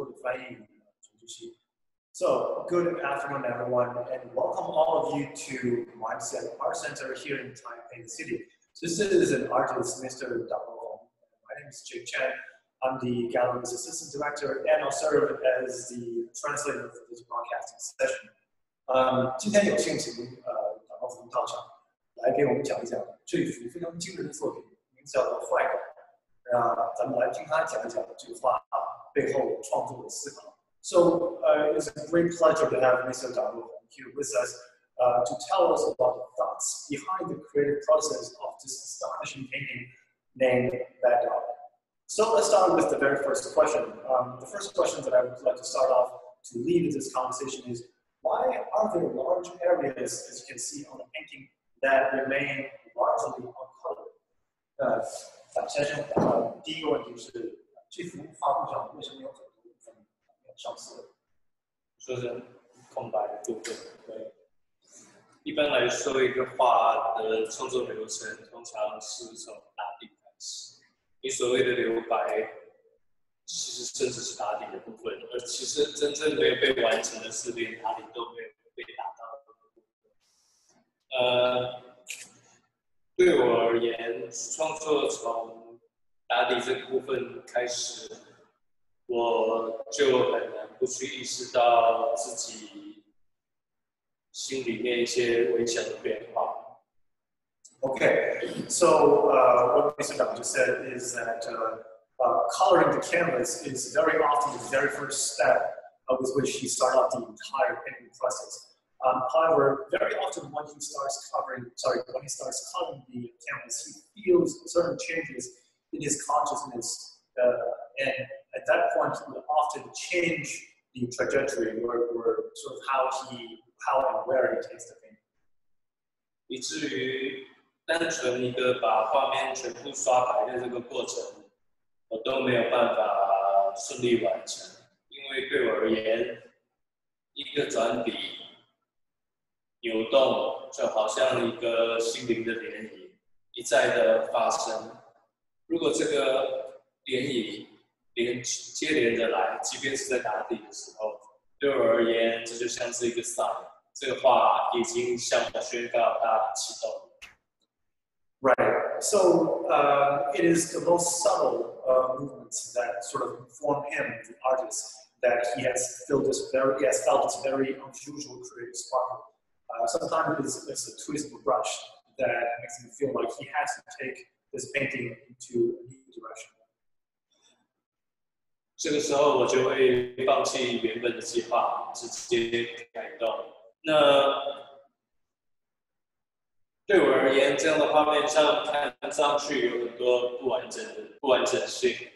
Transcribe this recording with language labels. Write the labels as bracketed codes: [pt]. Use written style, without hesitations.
[zh] 是, [en] so, good afternoon, everyone, and welcome all of you to Mindset Art Center here in Taipei City. This is an artist, Mr. Dong. My name is Jake Chen. I'm the gallery's assistant director, and I'll serve as the translator for this broadcasting session. [zh] 今天有幸请感傷瞬間到场，来给我们讲一讲这一幅非常惊人的作品，名字叫做《坏狗》。那咱们来听他讲一讲这个画背后创作的思考。 [en] So, it's a great pleasure to have Mr. 感傷瞬間 here with us, to tell us about the thoughts behind the creative process of this astonishing painting named Bad Dog. So let's start with the very first question. The first question that I would like to start off to lead this conversation is, why are there large areas, as you can see on the painting, that remain largely uncolored? [zh] 反先生，第一个问题是，这幅画布上为什么有很多部分没有上色？说是空白的部分。对。一般来说，一个画的创作流程通常是从打底开始。你所谓的留白，其实甚至是打底的部分，而其实真正没有被完成的是连打底都没有被打到的部分。对我而言，创作从打底这个部分开始，我就很难不去意识到自己心里面一些微小的变化。 [en] Okay, so what Mr. Dong just said is that coloring the canvas is very often the very first step with which he starts off the entire painting process. However, very often when he starts coloring the canvas, he feels certain changes in his consciousness. And at that point, he will often change the trajectory or sort of how and where he takes the painting. [zh] 以至于单纯一个把画面全部刷白的这个过程，我都没有办法顺利完成，因为对我而言，一个转笔、扭动，就好像一个心灵的涟漪，一再的发生。如果这个涟漪连接连着来，即便是在打底的时候，对我而言，这就像是一个 sign， 这个画已经向我宣告它启动。 [en] Right, so it is the most subtle movements that sort of inform him, the artist, that he has felt this very unusual creative spark. Sometimes it's a twist of a brush that makes him feel like he has to take this painting into a new direction. [zh] 这个时候我就会放弃原本的计划，直接改动。那对我而言，这样的画面上看上去有很多不完整性。